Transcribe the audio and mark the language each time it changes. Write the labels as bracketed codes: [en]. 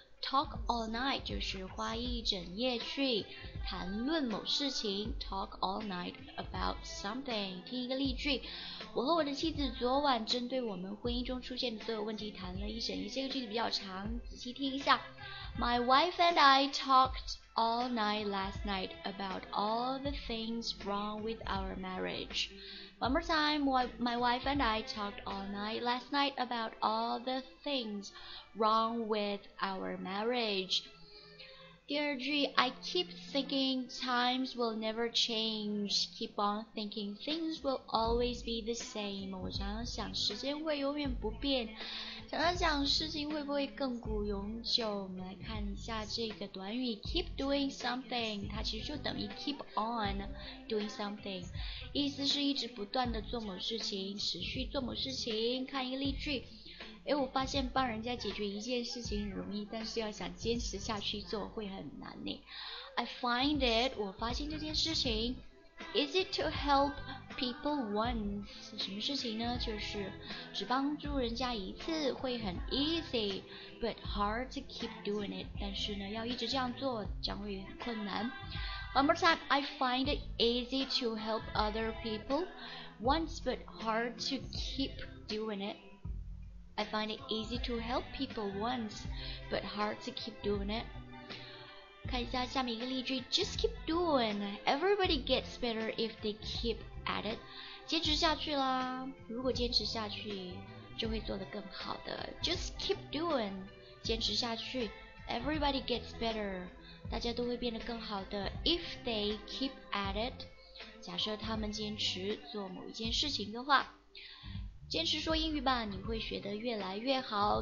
[en] Talk all night [zh] 就是花一整夜去谈论某事情。 [en] Talk all night about something。 [zh] 听一个例句，我和我的妻子昨晚针对我们婚姻中出现的所有问题谈了一整夜。这个句子比较长，仔细听一下。 [en] My wife and I talked all night last night about all the things wrong with our marriage. One more time. My wife and I talked all night last night about all the things wrong with our marriage. [zh] 第二句， [en] I keep thinking times will never change. Keep on thinking things will always be the same. [zh] 我常常想时间会永远不变，想想想事情会不会亘古永久。我们来看一下这个短语 [en] keep doing something， [zh] 它其实就等于 [en] keep on doing something， [zh] 意思是一直不断的做某事情，持续做某事情。看一个例句，诶，我发现帮人家解决一件事情容易，但是要想坚持下去做会很难呢。 [en] I find it， [zh] 我发现这件事情。 [en] Is it to help people once? [zh] 什么事情呢？就是只帮助人家一次会很 [en] easy, but hard to keep doing it. [zh] 但是呢，要一直这样做将会很困难。 [en] One more time, I find it easy to help other people once, but hard to keep doing it. I find it easy to help people once, but hard to keep doing it. [zh] 看一下下面一个例句， [en] Just keep doing. Everybody gets better if they keep at it. [zh] 坚持下去啦，如果坚持下去就会做得更好的。 [en] Just keep doing. [zh] 坚持下去， [en] Everybody gets better. [zh] 大家都会变得更好的。 [en] If they keep at it. [zh] 假设他们坚持做某一件事情的话，坚持说英语吧，你会学得越来越好。